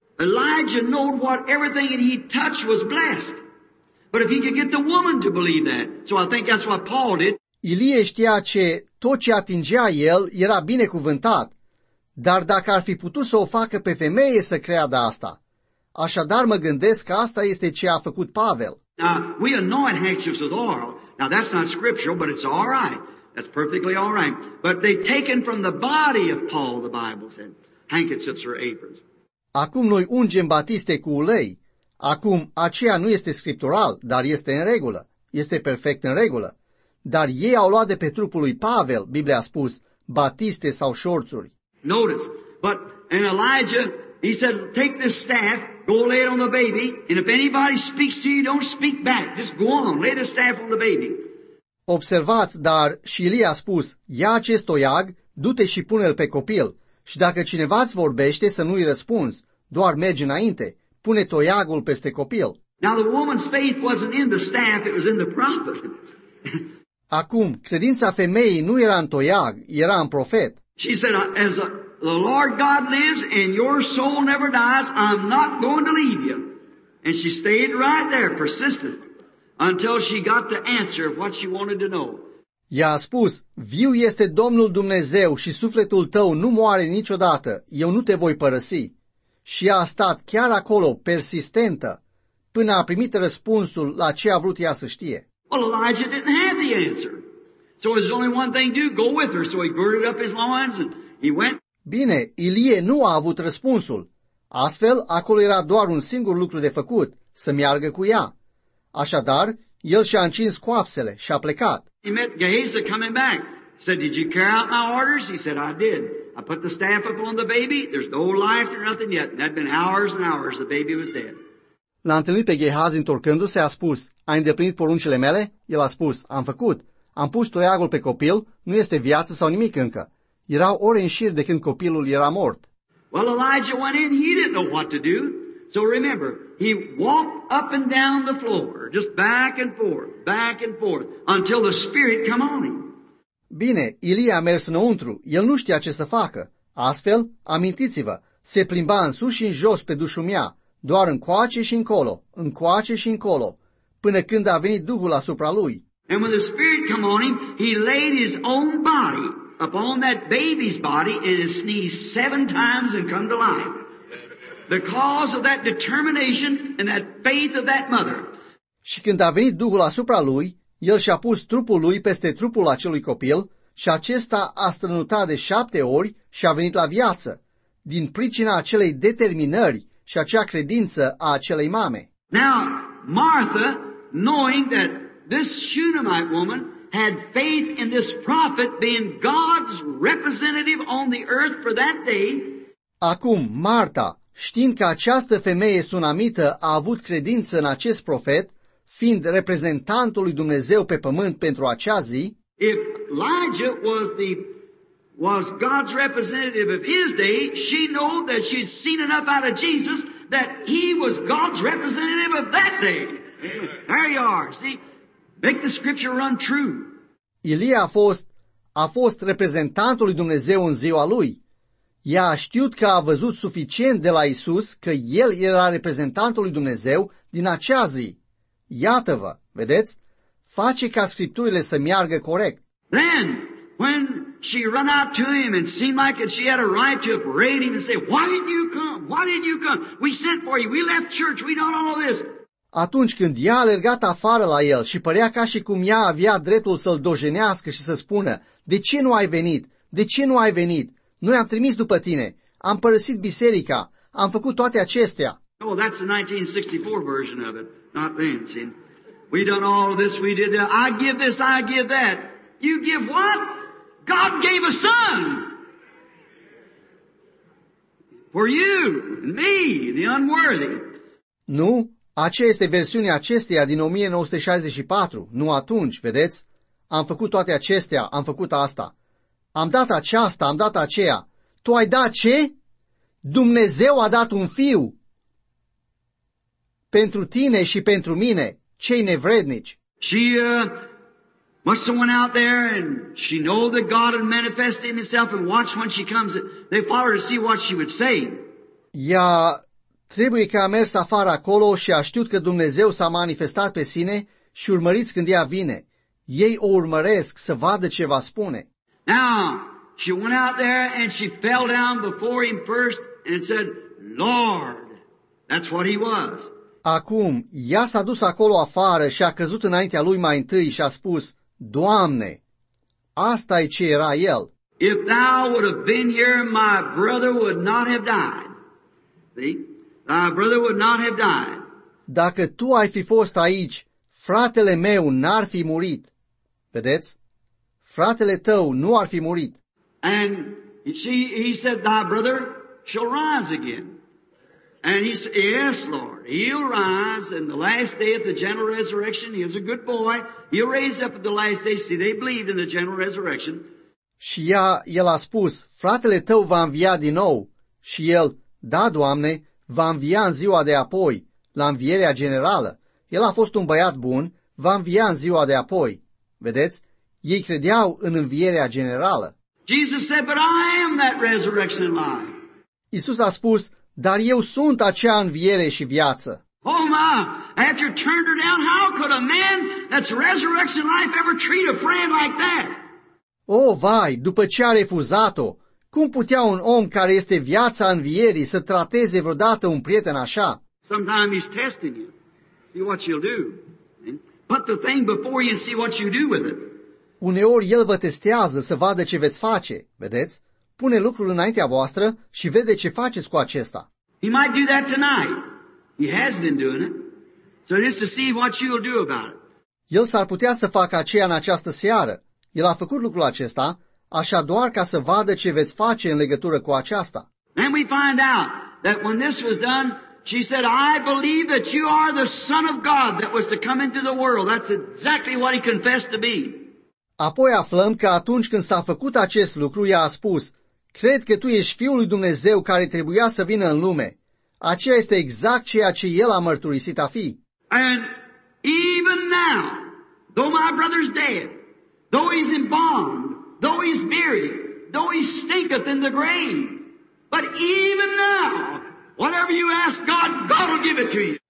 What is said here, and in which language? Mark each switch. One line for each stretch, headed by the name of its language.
English: Elijah knew what everything that he touched was blessed. But if he could get the woman to believe that, so I think that's what Paul did.
Romanian: Ilie știa ce tot ce atingea el era binecuvântat, dar dacă ar fi putut să o facă pe femeie să creadă asta. Așadar mă gândesc că asta este ce a făcut Pavel.
English: Now, we anoint handkerchiefs with oil. Now that's not scriptural, but it's all right. That's perfectly all right. But they've taken from the body of Paul, the Bible said, handkerchiefs or aprons.
Romanian: Acum noi ungem batiste cu ulei. Acum, aceea nu este scriptural, dar este în regulă. Este perfect în regulă. Dar ei au luat de pe trupul lui Pavel, Biblia a spus, batiste sau șorțuri.
English: Notice, but in Elijah, he said, take this staff, go lay it on the baby, and if anybody speaks to you, don't speak back. Just go on, lay the staff on the baby.
Romanian: Observați, dar și Ilie a spus, ia acest toiag, du-te și pune-l pe copil. Și dacă cineva îți vorbește, să nu-i răspunzi, doar mergi înainte, pune toiagul peste copil.
English: Now the woman's faith wasn't in the staff, it was in the prophet.
Romanian: Acum, credința femeii nu era în toiag, era în profet.
English: She said, as the Lord God lives and your soul never dies, I'm not going to leave you. And she stayed right there, persistent, until she got the answer of what she wanted to know.
Romanian: Ea a spus, viu este Domnul Dumnezeu și sufletul tău nu moare niciodată, eu nu te voi părăsi. Și ea a stat chiar acolo, persistentă, până a primit răspunsul la ce a vrut ea să știe.
English: Well, Elijah didn't have the answer. So there's only one thing to do, go with her. So he girded up his loins and he went.
Romanian: Bine, Ilie nu a avut răspunsul. Astfel, acolo era doar un singur lucru de făcut, să meargă cu ea. Așadar, el și-a încins coapsele și a plecat.
English: He met Gehazi coming back. He said, did you carry out my orders? He said, I did. I put the staff up on the baby. There's no life or nothing yet. That'd been hours and hours. The baby was dead.
Romanian: L-a întâlnit pe Gehazi întorcându-se, a spus, ai îndeplinit poruncile mele? El a spus, am făcut. Am pus toiagul pe copil, nu este viață sau nimic încă. Erau ore în șir de când copilul era mort.
English: Well, Elijah went in, he didn't know what to do. So remember, he walked up and down the floor, just back and forth, until the Spirit come on him.
Romanian: Bine, Ilie a mers înăuntru, el nu știa ce să facă. Astfel, amintiți-vă, se plimba în sus și în jos pe dușumia, doar încoace și încolo, încoace și încolo, până când a venit Duhul asupra lui.
English: And when the Spirit come on him, he laid his own body upon that baby's body and sneezed 7 times and come to life. Because of that determination and that faith of that mother.
Romanian: Și când a venit Duhul asupra lui, el și-a pus trupul lui peste trupul acelui copil și acesta a strănutat de 7 ori și a venit la viață, din pricina acelei determinări și acea credință a acelei mame.
English: Now, Martha, knowing that this Shunammite woman had faith in this prophet being God's representative on the earth for that day.
Romanian: Acum, Marta, știind că această femeie sunamită a avut credință în acest profet, fiind reprezentantul lui Dumnezeu pe pământ pentru acea zi,
English: if Elijah was God's representative of his day, she knew that she'd seen enough out of Jesus that he was God's representative of that day. There you are, see? Make the scripture run true.
Romanian: Ilie a fost reprezentantul lui Dumnezeu în ziua lui. Ea a știut că a văzut suficient de la Iisus că el era reprezentantul lui Dumnezeu din acea zi. Iată-vă, vedeți? Face ca scripturile să meargă corect.
English: Then, when she ran out to him and seemed like she had a right to upbraid him and say, why didn't you come? Why didn't you come? We sent for you. We left church. We done all this.
Romanian: Atunci când ea a alergat afară la el și părea ca și cum ea avea dreptul să-l dojenească și să spună, de ce nu ai venit? De ce nu ai venit? Noi am trimis după tine, am părăsit biserica, am făcut toate acestea.
English: Oh, that's the 1964 version of it, not then, see. We done all this, we did that, I give this, I give that. You give what? God gave a son. For you, me, the unworthy.
Romanian: Nu, aceea este versiunea acesteia din 1964, nu atunci, vedeți? am făcut toate acestea, am făcut asta. Am dat aceasta, am dat aceea. Tu ai dat ce? Dumnezeu a dat un fiu pentru tine și pentru mine, cei nevrednici.
English: Must have went out there and she know that God had manifested himself and watch when she comes. They followed her to see what she would say.
Romanian: Ea trebuie că a mers afară acolo și a știut că Dumnezeu s-a manifestat pe sine și urmăriți când ea vine. Ei o urmăresc să vadă ce va spune.
English: Now, she went out there and she fell down before him first and said, Lord, that's what he was.
Romanian: Acum, ea s-a dus acolo afară și a căzut înaintea lui mai întâi și a spus, Doamne, asta e ce era el.
English: If thou would have been here, my brother would not have died. See? Thy brother would not have died.
Romanian: Dacă tu ai fi fost aici, fratele meu n-ar fi murit. Vedeți? Fratele tău nu ar fi murit.
English: And he said, thy brother shall rise again. And he said, yes, Lord, he'll rise in the last day at the general resurrection. He is a good boy. He'll raise up at the last day. See, they believed in the general resurrection.
Romanian: Și el a spus, fratele tău va învia din nou. Și el, da, Doamne, va învia în ziua de apoi, la învierea generală. El a fost un băiat bun, va învia în ziua de apoi. Vedeți? Ei credeau în învierea generală.
English: Jesus said, but I am that resurrection and life.
Romanian: Iisus a spus, dar eu sunt acea înviere și viață.
English: Oh my, after turned her down, how could a man that's resurrection life ever treat a friend like that?
Romanian: Oh vai, după ce a refuzat-o, cum putea un om care este viața învierii să trateze vreodată un prieten așa?
English: Sometimes he's testing you. See what you'll do. Put the thing before you and see what you do with it.
Romanian: Uneori el vă testează să vadă ce veți face, vedeți? Pune lucrul înaintea voastră și vede ce faceți cu acesta.
English: He might do that tonight. He has been doing it. So just to see what you'll do about it.
Romanian: El s-ar putea să facă aceea în această seară. El a făcut lucrul acesta, așa doar ca să vadă ce veți face în legătură cu aceasta.
English: Then we find out that when this was done, she said, I believe that you are the Son of God that was to come into the world. That's exactly what he confessed to be.
Romanian: Apoi aflăm că atunci când s-a făcut acest lucru, ea a spus, cred că tu ești Fiul lui Dumnezeu care trebuia să vină în lume. Aceea este exact ceea ce El a mărturisit a fi.
English: And even now, though my brother's dead, though he's in bond, though he's buried, though he stinketh in the grave, but even now, whatever you ask God, God will give it to you.